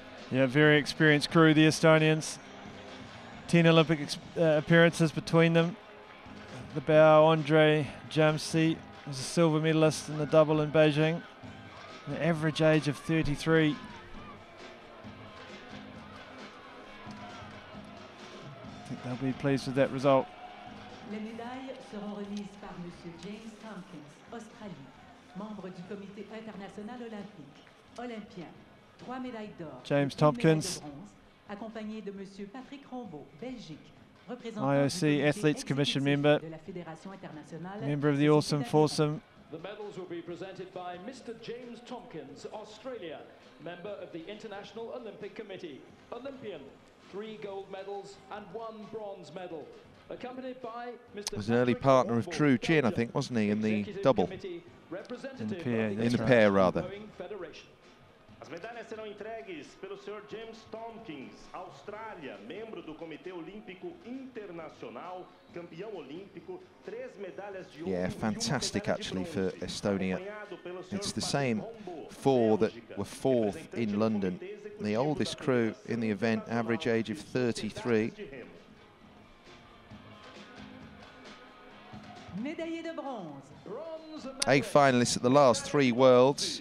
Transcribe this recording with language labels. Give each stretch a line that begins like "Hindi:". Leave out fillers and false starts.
English: Yeah, very experienced crew, the Estonians. 10 Olympic appearances between them. The bow, Andre Jamsi, was a silver medalist in the double in Beijing. An average age of 33. I think they'll be pleased with that result.
French: Les médailles seront remises par Monsieur James Tompkins, Australie. Membre du Comité international olympique, olympien. Trois médailles d'or. James Tompkins, accompagné de Monsieur Patrick Rombaud, Belgique.
English: IOC Athletes Commission member, member of the awesome foursome. The medals will be presented by Mr. James Tompkins, Australia, member of the International Olympic Committee, Olympian, three gold medals and one bronze medal. Accompanied by Mr. Was an early partner of Drew Chin, I think, wasn't he, in the double? In the pair, in the pair rather.
Portuguese: As medalhas serão entregues pelo Sr. James Tompkins, Austrália, membro do Comitê Olímpico Internacional, campeão olímpico, três medalhas de ouro.
English: Yeah, fantastic actually for Estonia. It's the same four that were fourth in London. The oldest crew in the event, average age of 33.
French: Médaillé de bronze.
English: Eight finalists at the last three Worlds.